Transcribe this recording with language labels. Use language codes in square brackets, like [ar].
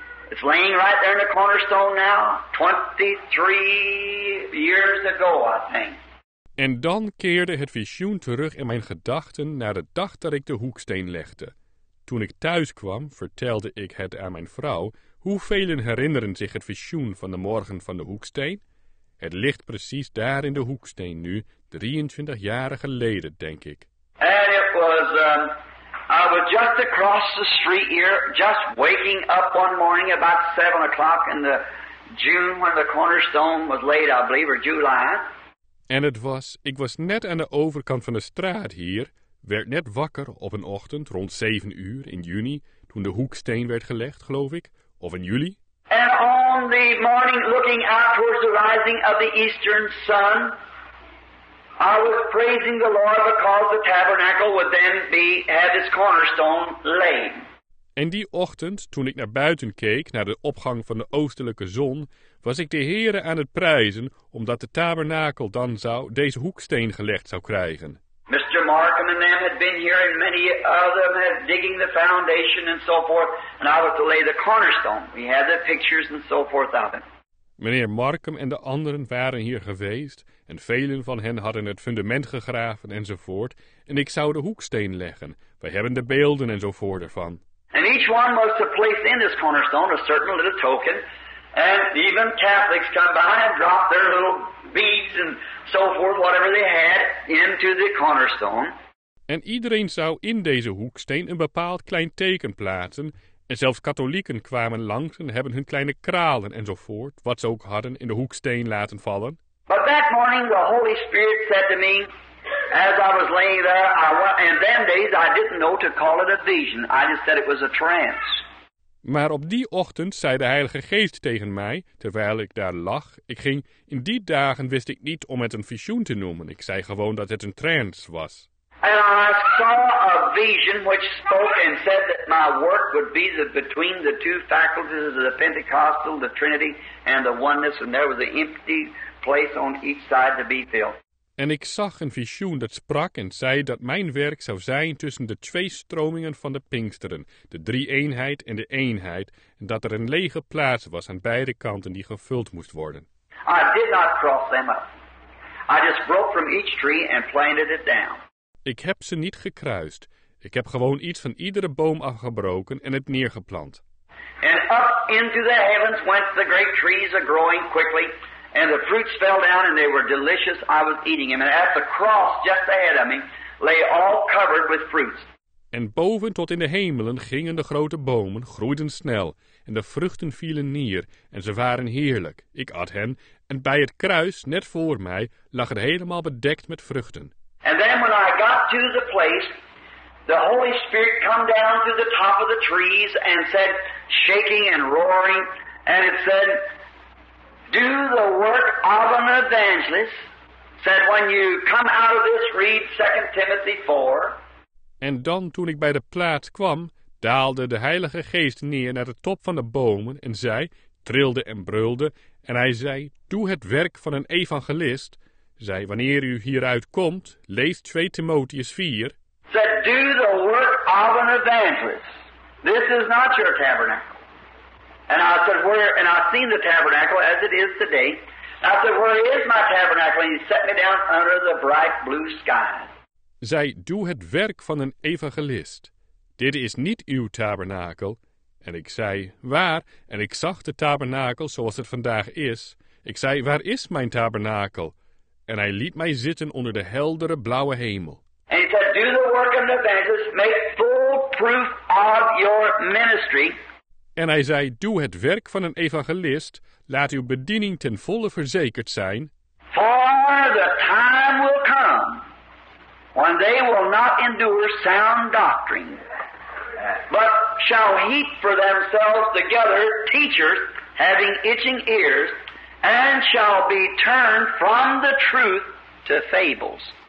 [en] It's laying right there in the cornerstone now, 23 years ago, I think. [nl] En dan keerde het visioen terug in mijn gedachten naar de dag dat ik de hoeksteen legde. Toen ik thuis kwam, vertelde ik het aan mijn vrouw. Hoeveel herinneren zich het visioen van de morgen van de hoeksteen? Het ligt precies daar in de hoeksteen nu, 23 jaar geleden, denk ik. [en] And it was I was just across the street here, just waking up one morning about 7 o'clock in the June when the cornerstone was laid, I believe, or July. [nl] En het was, ik was net aan de overkant van de straat hier, werd net wakker op een ochtend rond 7 uur in juni, toen de hoeksteen werd gelegd, geloof ik, of in juli. [en] And on the morning looking out towards the rising of the eastern sun, I was praising the Lord because the tabernacle would then be at its cornerstone laid. [nl] En die ochtend, toen ik naar buiten keek, naar de opgang van de oostelijke zon, was ik de Heere aan het prijzen, omdat de tabernakel dan zou deze hoeksteen gelegd zou krijgen. [en] Mr. Markham and them had been here and many of them had digging the foundation and so forth, and I was to lay the cornerstone. We had the pictures and so forth of it. [nl] Meneer Markham en de anderen waren hier geweest en velen van hen hadden het fundament gegraven enzovoort en ik zou de hoeksteen leggen. Wij hebben de beelden enzovoort ervan. [en] And each one was to place in this cornerstone a certain little token and even Catholics come by and drop their little beads and so forth, whatever they had, into the cornerstone. [nl] En iedereen zou in deze hoeksteen een bepaald klein teken plaatsen. En zelfs katholieken kwamen langs en hebben hun kleine kralen enzovoort, wat ze ook hadden, in de hoeksteen laten vallen. [en] But that morning the Holy Spirit said to me, as I was laying there, in them days I didn't know to call it a vision. I just said it was a trance. [nl] Maar op die ochtend zei de Heilige Geest tegen mij, terwijl ik daar lag, ik ging, in die dagen wist ik niet om het een visioen te noemen. Ik zei gewoon dat het een trance was. [en] And I saw a vision which spoke and said that my work would be the, between the two faculties of the Pentecostal, the Trinity, and the oneness, and there was an empty place on each side to be filled. [nl] En ik zag een visioen dat sprak en zei dat mijn werk zou zijn tussen de twee stromingen van de Pinksteren, de drie-eenheid en de eenheid, en dat er een lege plaats was aan beide kanten die gevuld moest worden. [en] I did not cross them up. I just broke from each tree and planted it down. [nl] Ik heb ze niet gekruist. Ik heb gewoon iets van iedere boom afgebroken en het neergeplant. [en] And up into the heavens went the great trees are growing quickly. And the fruits fell down and they were delicious. I was eating them. And at the cross just ahead of me lay all covered with fruits. [nl] En boven tot in de hemelen gingen de grote bomen, groeiden snel. En de vruchten vielen neer en ze waren heerlijk. Ik at hen en bij het kruis, net voor mij, lag het helemaal bedekt met vruchten. [en] And then when I got to the place, the Holy Spirit come down to the top of the trees and said, shaking and roaring, and it said, do the work of an evangelist. Said, when you come out of this, read 2 Timothy 4. [nl] En dan, toen ik bij de plaats kwam, daalde de Heilige Geest neer naar de top van de bomen en zei, trilde en brulde, en hij zei, doe het werk van een evangelist. Zei, wanneer u hieruit komt, lees 2 Timotheus 4. [en] Said, do the work of an evangelist. This is not your tabernacle. And I said, where, and I've seen the tabernacle as it is today. I said, where is my tabernacle? And he set me down under the bright blue sky. [nl] Zei, doe het werk van een evangelist. Dit is niet uw tabernakel. En ik zei, waar? En ik zag de tabernakel zoals het vandaag is. Ik zei, waar is mijn tabernakel? En hij liet mij zitten onder de heldere blauwe hemel. [en] And he said, do the work of the evangelist, make full proof of your ministry. [nl] En hij zei, doe het werk van een evangelist, laat uw bediening ten volle verzekerd zijn. [en] For the time will come when they will not endure sound doctrine, but shall heap for themselves together teachers having itching ears, and shall be turned from the truth to fables.